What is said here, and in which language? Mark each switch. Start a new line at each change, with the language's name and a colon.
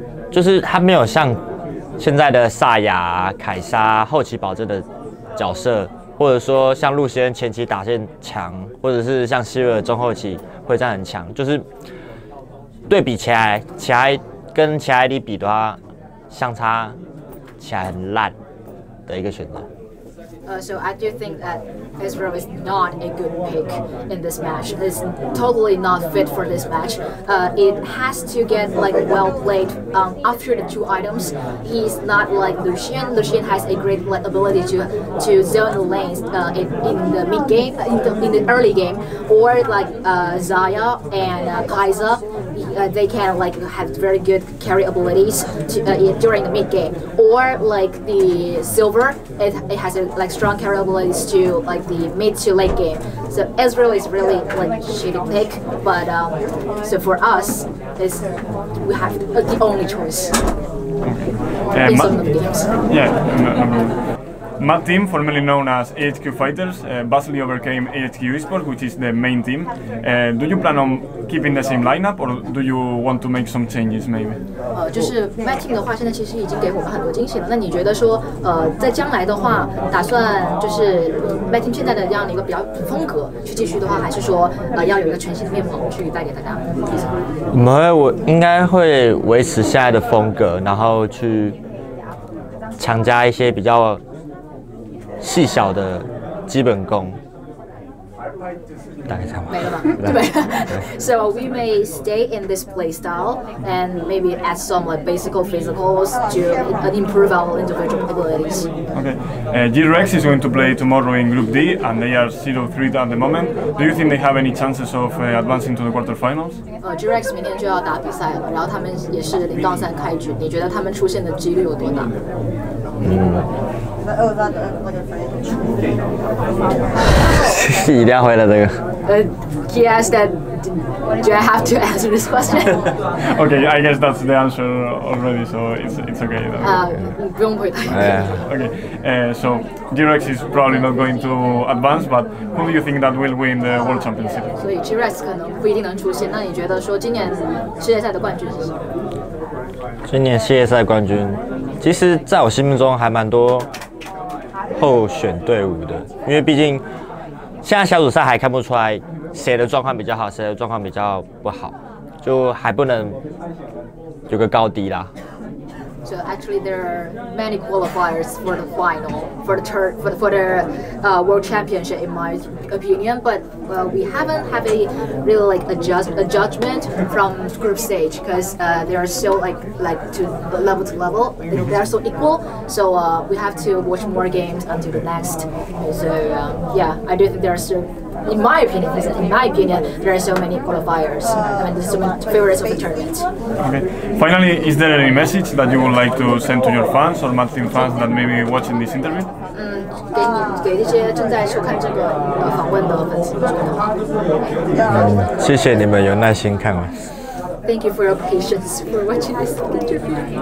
Chinese: 就是他没有像现在的萨亚、凯莎后期保证的角色，或者说像路西恩前期打线强，或者是像希尔中后期会战很强。就是对比起来，跟其他 ID 比的话，相差起来很烂的一个选择。
English: So I do think that Ezreal is not a good pick in this match. It's totally not fit for this match. It has to get like well played after the two items. He's not like Lucian. Lucian has a great like, ability to zone the lanes in the mid game, in the early game, or like Zaya and Kaiser. They can like have very good carry abilities during the mid game, or like the Silver. It has a like strong carry abilities to like the mid to late game. So Ezreal is really like shitty pick, but so for us, it's we have the only choice. Okay. In some of the games. Mad Team, formerly known as AHQ Fighters, vastly overcame AHQ Esports, which is the main team. Do you plan on keeping the same lineup, or do you want to make some changes, maybe?
Chinese: 就是 Mad Team 的话，现在其实已经给我们很多惊喜了。那你觉得说，在将来的话，打算就是 Mad Team 现在的这样的一个比较风格去继续的话，还是说，要有一个全新的面貌去带给大家？我应该会维持现在的风格，然后去强加一些比较。细小的基本功。大概差不多没了吧？对。
English: So we may stay in this playstyle and maybe add some like basic physicals to improve our individual abilities. Okay. G-Rex is going to play tomorrow in Group D, and they are 0-3 at the moment. Do you think they have any chances of advancing to the quarterfinals?
Chinese: G-Rex 明天就要打比赛了，然后他们也是0-3开局。你觉得他们出现的几率有多大？一定要回答这个。
English: He asked that. Do I have to answer this question? Okay, I guess that's the answer already, so it's okay.
Chinese: Ah, 不用回答。
English: Okay, so G-Rex is probably not going to advance, but who do you think that will win the World Championship?
Chinese: 所以 G-Rex 可能不一定能出现。那你觉得说今年世界赛的冠军是什么？今年世界赛冠军，其实在我心目中还蛮多候选队伍的，因为毕竟现在小组赛还看不出来谁的状况比较好，谁的状况比较不好，就还不能有个高低啦。
English: So actually, there are many qualifiers for the final, for the World Championship, in my opinion. But well, we haven't have a really like a judgment from group stage because they are so level to level, they are so equal. So we have to watch more games until the next. So I do think there are still, in my opinion, there are so many qualifiers. I mean, there's so many favorites of the tournament. Okay. Finally, is there any message that you would like to send to your fans or Mad Team fans that may be watching this interview?
Chinese: 给你给这些正在收看这个访问的粉丝们。谢谢你们有耐心看完。
English: Thank you for your patience for watching this interview.